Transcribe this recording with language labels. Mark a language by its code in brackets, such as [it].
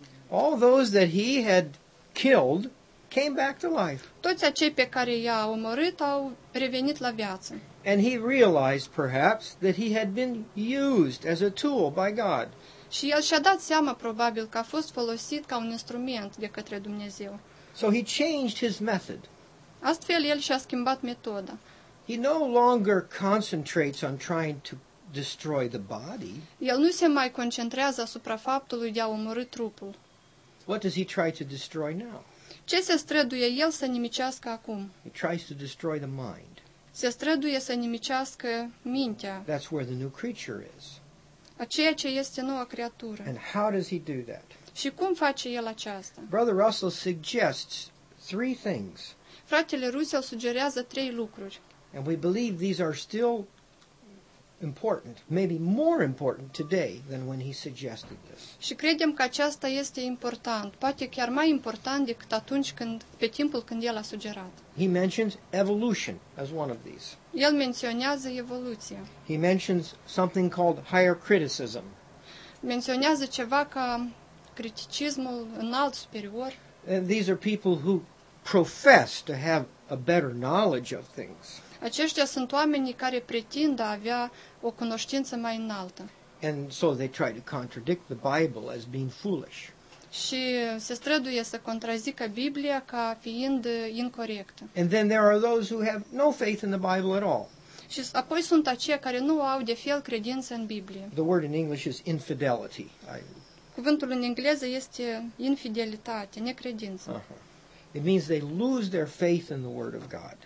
[en] All those that he had killed came back to life. [ro] Toți acei pe care i-a omorât au revenit la viață. [en] And he realized perhaps that he had been used as a tool by God. [ro] Și el și-a dat seama probabil că a fost folosit ca un instrument de către Dumnezeu. [en] So he changed his method. [ro] Astfel el și-a schimbat metoda. [en] He no longer concentrates on trying to destroy the body. [ro] El nu se mai concentrează asupra faptului de a omorî trupul. [en] What does he try to destroy now? [ro] Ce se străduie el să nimicească acum? [en] He tries to destroy the mind. [ro] Se străduie să nimicească mintea. [en] That's where the new creature is. [ro] Aceea ce este noua creatură. [en] And how does he do that? [ro] Și cum face el aceasta? [en] Brother Russell suggests three things. [ro] Fratele Russell sugerează trei lucruri. [en] And we believe these are still important, maybe more important today than when he suggested this. [ro] Și credem că aceasta este important, poate chiar mai important decât atunci când, pe timpul când el a sugerat. [en] He mentions evolution as one of these. [ro] El menționează evoluția. [en] He mentions something called higher criticism. [ro] Menționează ceva ca criticismul înalt superior. [en] And these are people who profess to have a better knowledge of things. [ro] Aceștia sunt oamenii care pretind a avea o cunoștință mai înaltă. [en] And so they try to contradict the Bible as being foolish. [ro] Și se străduie să contrazică Biblia ca fiind incorrectă. [en] And then there are those who have no faith in the Bible at all. [ro] Și apoi sunt aceia care nu au de fel credință în Biblie. [en] The word in English is infidelity. [ro] Cuvântul în engleză este infidelitate, necredință. Uh-huh. [en] It means they lose their faith in the word of God.